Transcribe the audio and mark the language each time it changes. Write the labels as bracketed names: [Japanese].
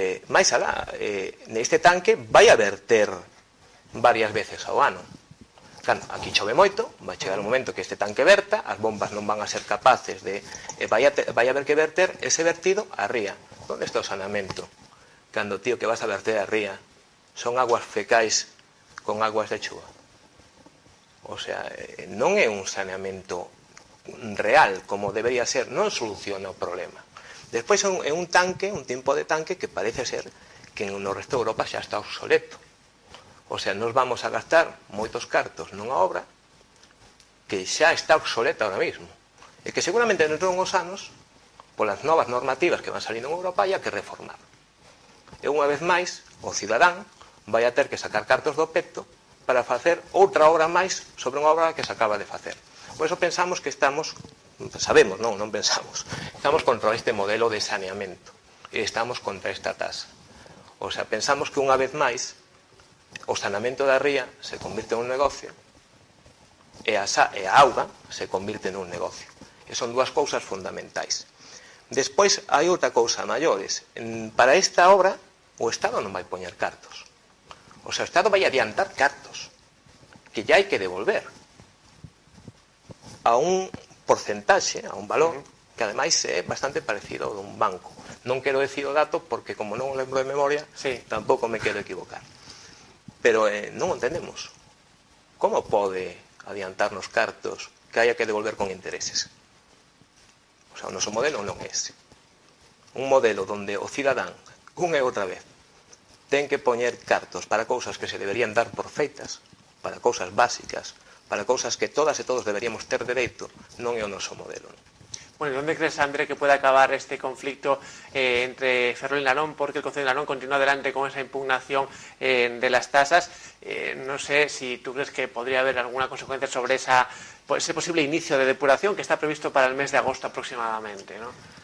[Galician] Máis alá, neste tanque vai a verter varias veces ao ano. Claro, aquí chove moito, vai chegar o momento que este tanque verta, as bombas non van a ser capaces de... vai haber que verter ese vertido a ría. Onde está o saneamento? Cando, tío, que vas a verter a ría, son aguas fecais con aguas de chuva. O sea, non é un saneamento real, como debería ser, non soluciona o problema. Despois é un tanque, un tempo de tanque, que parece ser que no resto de Europa xa está obsoleto. O sea, nos vamos a gastar moitos cartos nunha obra que xa está obsoleta [Spanish] ahora mismo. [Galician] E que seguramente dentro de unhos anos, polas novas normativas que van salindo en Europa, hai que reformar. E unha vez máis, o cidadán vai a ter que sacar cartos do peto para facer outra obra máis sobre unha obra que se acaba de facer. Por eso pensamos que estamos, sabemos, non pensamos, estamos contra este modelo de saneamento e estamos contra esta tasa. O sea, pensamos que unha vez máis, o saneamento da ría se convirte en un negocio e a auga se convirte en un negocio. E son dúas cousas fundamentais. Despois, hai outra cousa maiores. Para esta obra, o Estado non vai poñer cartos. O sea, o Estado vai adiantar cartos que ya hai que devolver a un porcentaxe, a un valor, que ademais é bastante parecido a un banco. Non quero decir o dato porque, como non o lembro de memoria, sí, tampouco me quero equivocar. Pero non entendemos. Como pode adiantarnos cartos que haya que devolver con intereses? O sea, o noso modelo non é ese. Un modelo donde o cidadán, unha e outra vez, ten que poñer cartos para cousas que se deberían dar por feitas, para cousas básicas, para cousas que todas e todos deberíamos ter dereito, non é o noso modelo. [Spanish] Bueno, ¿dónde crees, André, que puede acabar este conflicto entre Ferrol y Narón? Porque el Concello de Narón continúa adelante con esa impugnación de las tasas. No sé si tú crees que podría haber alguna consecuencia sobre ese posible inicio de depuración que está previsto para el mes de agosto aproximadamente, ¿no?